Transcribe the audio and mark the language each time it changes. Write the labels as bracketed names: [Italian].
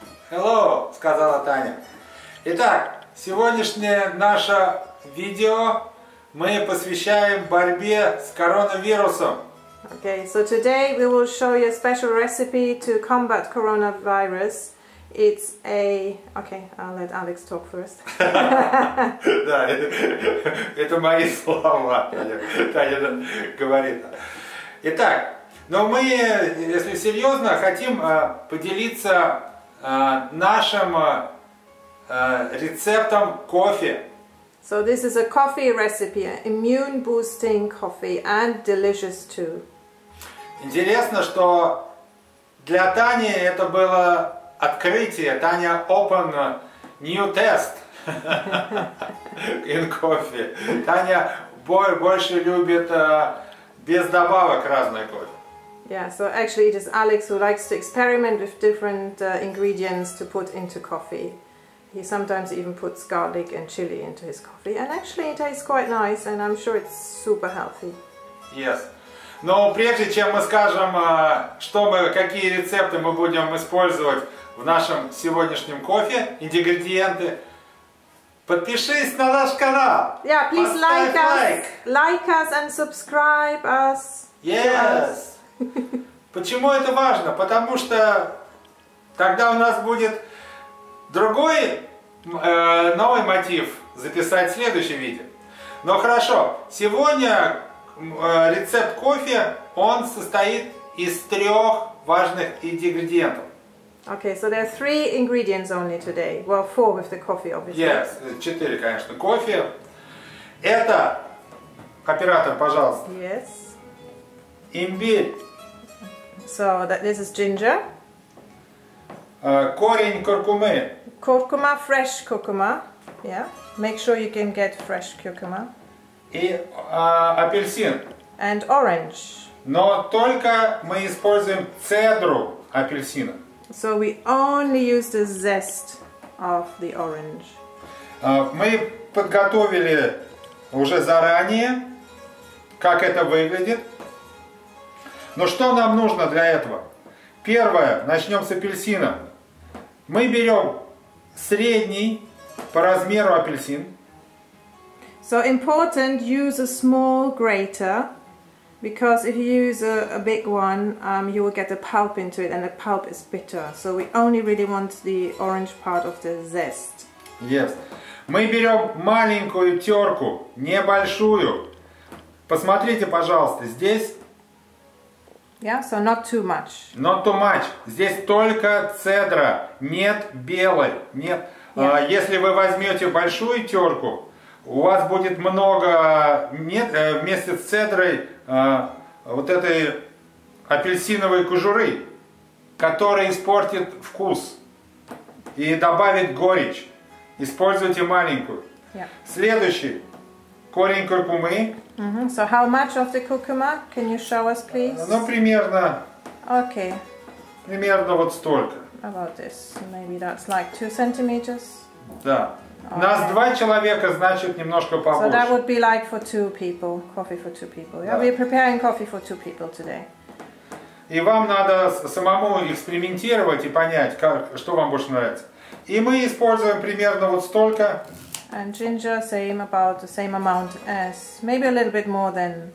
[English] Hello, [Russian] сказала Таня. Итак, сегодняшнее наше видео мы посвящаем борьбе с коронавирусом. [English] Okay, so today we will show you a special recipe to combat coronavirus. It's a... Okay, I'll let Alex talk first. [Russian] Да, это мои слова, Таня говорит. Итак, но мы, если серьезно, хотим поделиться нашим рецептом кофе. [English] So this is a coffee recipe, immune-boosting coffee, and delicious too. [Russian] Интересно, что для Тани это было открытие. [English] Таня open new test in coffee. [Russian] Таня больше любит без добавок разный кофе. [English] Yeah, so actually it is Alex who likes to experiment with different ingredients to put into coffee. He sometimes even puts garlic and chili into his coffee. And actually it tastes quite nice and I'm sure it's super healthy. Yes. [Russian] Но прежде чем мы скажем, что мы, какие рецепты мы будем использовать в нашем сегодняшнем кофе, ингредиенты, подпишись на наш канал. [English] Yeah, please like us. Like us and subscribe us. Yes. [Russian] Почему это важно? Потому что тогда у нас будет другой новый мотив записать следующее видео. Но хорошо, сегодня рецепт кофе, он состоит из трех важных ингредиентов. [English] Okay, so there are three ingredients only today. Well, four with the coffee, obviously. Yes, [Russian] четыре, конечно, кофе. Это, оператор, пожалуйста. [English] Yes. [Russian] Имбирь. [English] So, that this is ginger. [Russian] Корень куркумы. Куркума, [English] fresh [Russian] куркума. [English] Yeah, make sure you can get fresh куркума. [Russian] И апельсин. [English] And orange. [Russian] Но только мы используем цедру апельсина. [English] So we only use the zest of the orange. [Russian] Мы подготовили уже заранее, как это выглядит. Но что нам нужно для этого? Первое, начнем с апельсина. Мы берем средний по размеру апельсин. [English] So important, use a small grater. Because if you use a big one, you will get the pulp into it, and the pulp is bitter. So we only really want the orange part of the zest. Yes. [Russian] Мы берем маленькую терку, небольшую. Посмотрите, пожалуйста, здесь... [English] Yeah, so not too much. Not too much. [Russian] Здесь только цедра, нет белой. Нет. [English] Yeah. [Russian] Если вы возьмете большую терку, у вас будет много нет, вместе с цедрой вот этой апельсиновой кожуры, которая испортит вкус и добавит горечь. Используйте маленькую. [English] Yeah. [Russian] Следующий. Корень куркумы. Mm-hmm. [English] So how much of the cucumber can you show us, please? [Russian] Ну, примерно. [English] Okay. [Russian] Примерно вот столько. [English] About this. Maybe that's like 2 centimeters. [Russian] Да. [English] Okay. [Russian] Нас два человека, значит, немножко побольше. [English] So that would be like for two people, coffee for two people. Yeah? [Russian] Да. [English] We're preparing coffee for two people today. [Russian] И вам надо самому экспериментировать и понять, как, что вам больше нравится. И мы используем примерно вот столько. [English] And ginger, same, about the same amount as, maybe a little bit more than...